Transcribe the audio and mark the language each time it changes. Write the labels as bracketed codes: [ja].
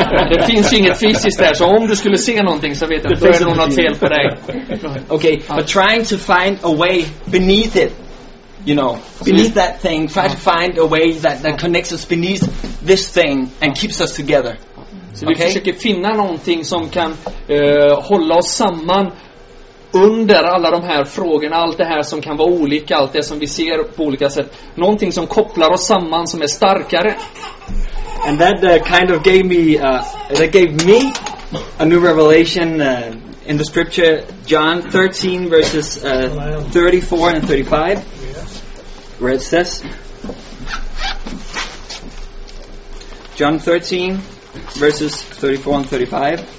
[sv] Det finns inget fysiskt där. Så om du skulle se någonting så vet du att det är något fel på dig. [en] Okay, but trying to find a way beneath it, you know, beneath that thing, try to find a way that connects us beneath this thing and keeps us together. [sv] Så vi försöker finna någonting som kan hålla oss samman under alla de här frågorna, allt det här som kan vara olika, allt det som vi ser på olika sätt, någonting som kopplar oss samman, som är starkare. [en] And that kind of gave me that gave me a new revelation in the scripture John 13 verses 34 and 35 where it says John 13 verses 34 and 35